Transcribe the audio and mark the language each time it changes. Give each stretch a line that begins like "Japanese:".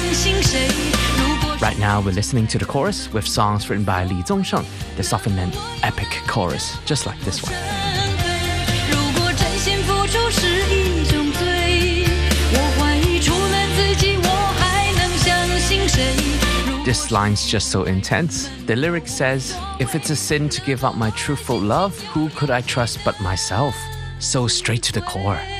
Chinese: 如果真心付出是一种罪，我怀疑除了自己我还能相信谁？
English: Now we're listening to the chorus with songs written by Li Zongsheng, the often named epic chorus, just like this one.
Chinese: 如果真心付出是一种罪，我怀疑除了自己我还能相信谁？
English: This line's just so intense. The lyric says, if it's a sin to give up my truthful love, who could I trust but myself? So straight to the core.